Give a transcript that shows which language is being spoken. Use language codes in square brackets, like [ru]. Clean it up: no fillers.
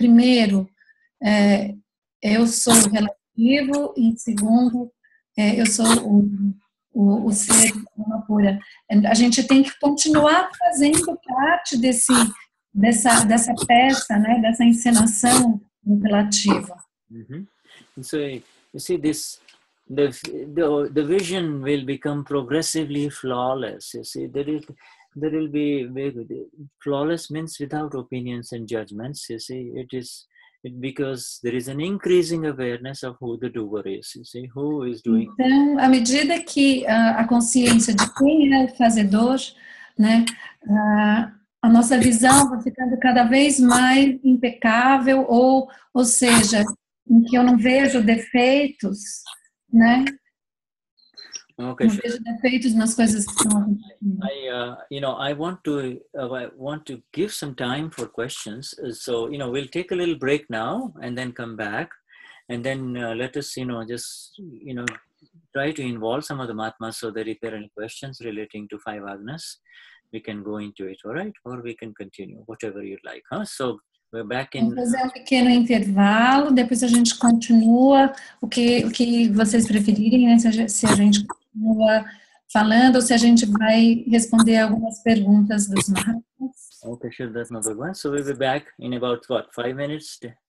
[pt] Primeiro, eu sou o relativo e, segundo, eu sou o ser uma pura. A gente tem que continuar fazendo parte dessa peça, né? Dessa encenação relativa. Isso aí. [en] You see, this the vision will become progressively flawless. You see, there will be flawless means without opinions and judgments. You see, it is because there is an increasing awareness of who the doer is. You see, who is doing. [pt] Então, à medida que a consciência de quem é o fazedor, né, a nossa visão vai ficando cada vez mais impecável, ou seja, em que eu não vejo defeitos, né? [en] Okay, [pt] não vejo defeitos nas coisas que estão acontecendo. [en] I want to give some time for questions. So, you know, we'll take a little break now and then come back. And then let us, you know, just, you know, try to involve some of the Mahatmas so that if there are any questions relating to five Agnas, we can go into it, all right? Or we can continue, whatever you'd like, huh? So, we're back in... [pt] Vamos fazer um pequeno intervalo, depois a gente continua o que vocês preferirem, né? Se a gente continua falando ou se a gente vai responder algumas perguntas dos Mahatmas. [en] Okay, sure, that's number one. So we'll be back in about what? 5 minutes?